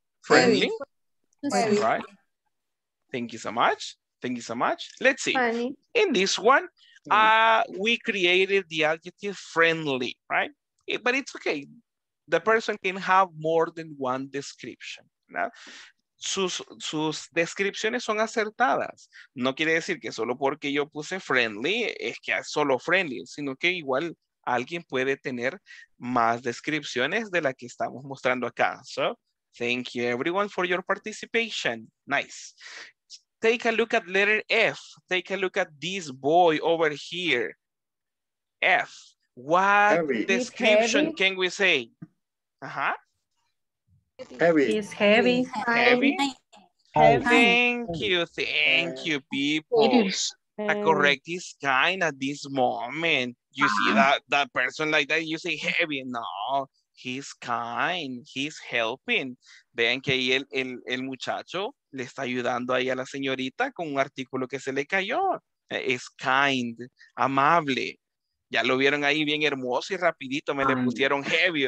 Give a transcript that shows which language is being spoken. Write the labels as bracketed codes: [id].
[en] All right. Thank you so much. Thank you so much. Let's see. Funny. In this one, we created the adjective friendly, right? But it's okay. The person can have more than one description. [es] ¿No? Sus descripciones son acertadas. No quiere decir que solo porque yo puse friendly es que es solo friendly, sino que igual alguien puede tener más descripciones de la que estamos mostrando acá. [en] So, thank you everyone for your participation. Nice. Take a look at letter F. Take a look at this boy over here. F. What heavy. Description can we say? Heavy. Thank you, people. a correct his kind at this moment. You see that person like that, you say heavy. No, he's kind, he's helping. [es] Vean que ahí el muchacho le está ayudando ahí a la señorita con un artículo que se le cayó. Es kind, amable. Ya lo vieron ahí bien hermoso y rapidito me le pusieron heavy.